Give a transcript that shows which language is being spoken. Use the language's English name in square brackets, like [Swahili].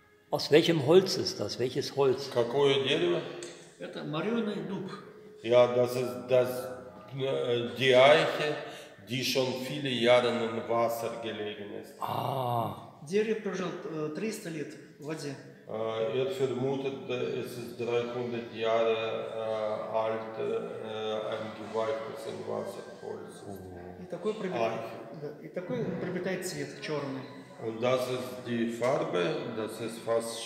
[German] Aus welchem Holz ist das? Welches Holz? [Russian] Какое дерево? Это марионный дуб. [German] Ja, das ist das die Eiche, die schon viele Jahre im Wasser gelegen ist. [Russian] Дерево прожило 300 лет в воде. [German] Er vermutet, es ist 300 Jahre alt, ein geweihtes in Wasser Holz. [Russian] И такой приобретает цвет черный. [German] Und das ist die Farbe, das ist fast